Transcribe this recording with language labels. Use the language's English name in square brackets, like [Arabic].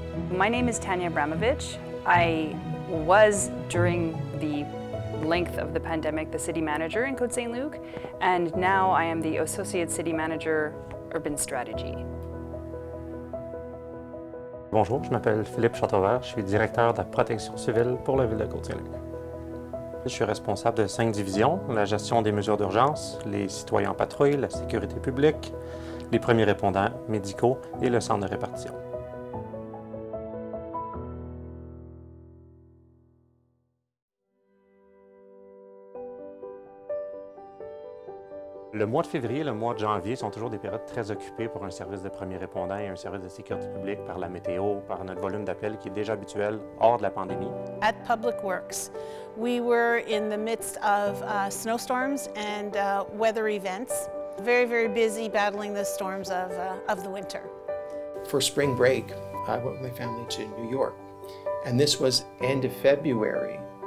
[English] My name is Tanya Abramovich. I was, during the length of the pandemic, the city manager in Côte Saint-Luc, and now I am the associate city manager, urban strategy. [French] Bonjour, je m'appelle Philippe Châteauvert, je suis directeur de la protection civile pour la ville de Côte Saint-Luc. Je suis responsable de 5 divisions, la gestion des mesures d'urgence, les citoyens patrouille, la sécurité publique, les premiers répondants médicaux et le centre de répartition. Le mois de février et le mois de janvier sont toujours des périodes très occupées pour un service de premier répondant et un service de sécurité publique par la météo, par notre volume d'appels qui est déjà habituel hors de la pandémie. [English] At Public Works, we were in the midst of snowstorms and weather events. Very, very busy battling the storms of the winter. For spring break, I went with my family to New York. And this was end of February.